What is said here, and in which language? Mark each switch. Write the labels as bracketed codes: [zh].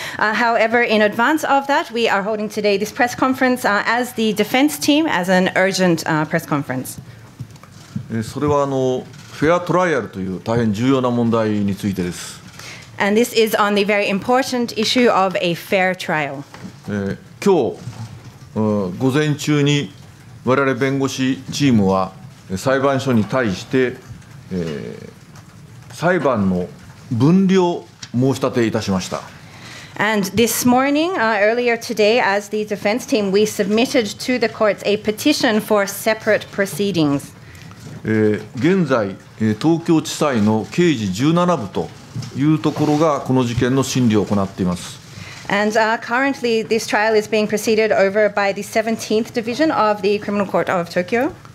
[en] However, in advance of that, we are holding today this press conference as the defense team as an urgent press conference. [ja] それはフェアトライアルという大変重要な問題についてです。 [en] And this is on the very important issue of a fair trial. [ja] 今日午前中に我々弁護士チームは裁判所に対して、裁判の分離を申し立ていたしました。 [en] And this morning, earlier today, as the defense team, we submitted to the courts a petition for separate proceedings. [ja] 現在、東京地裁の刑事17部というところがこの事件の審理を行っています。 [en] And currently, this trial is being proceeded over by the 17th Division of the Criminal Court of Tokyo.